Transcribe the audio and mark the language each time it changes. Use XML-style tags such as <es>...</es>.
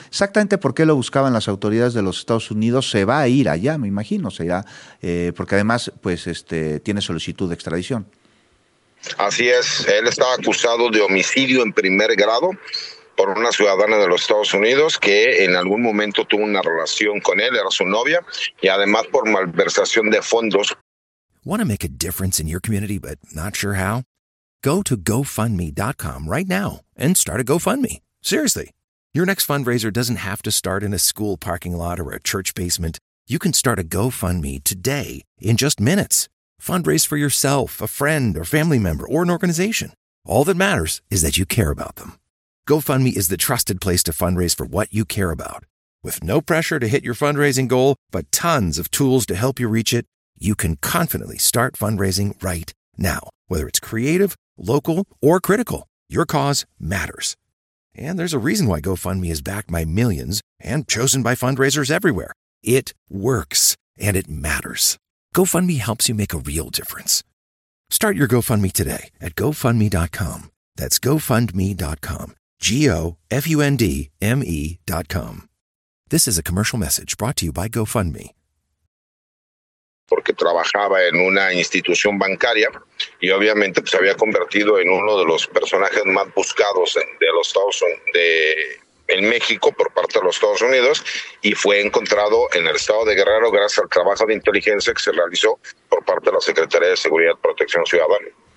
<es>Exactamente, ¿por qué lo buscaban las autoridades de los Estados Unidos? Se va a ir allá, me imagino, se irá, porque además pues tiene solicitud de extradición. Así es, él está acusado de homicidio en primer grado por una ciudadana de los Estados Unidos que en algún momento tuvo una relación con él, era su novia, y además por malversación de fondos.</es> <en>Want to make a difference in your community but not sure how? Go to GoFundMe.com right now and start a GoFundMe. Seriously, your next fundraiser doesn't have to start in a school parking lot or a church basement. You can start a GoFundMe today in just minutes. Fundraise for yourself, a friend, or family member, or an organization. All that matters is that you care about them. GoFundMe is the trusted place to fundraise for what you care about. With no pressure to hit your fundraising goal, but tons of tools to help you reach it, you can confidently start fundraising right now. Whether it's creative, local, or critical, your cause matters. And there's a reason why GoFundMe is backed by millions and chosen by fundraisers everywhere. It works, and it matters. GoFundMe helps you make a real difference. Start your GoFundMe today at GoFundMe.com. That's GoFundMe.com. GoFundMe.com. This is a commercial message brought to you by GoFundMe.</en> <es>Porque trabajaba en una institución bancaria y obviamente pues, se había convertido en uno de los personajes más buscados de los Estados Unidos, en México por parte de los Estados Unidos, y fue encontrado en el estado de Guerrero gracias al trabajo de inteligencia que se realizó por parte de la Secretaría de Seguridad y Protección Ciudadana.</es>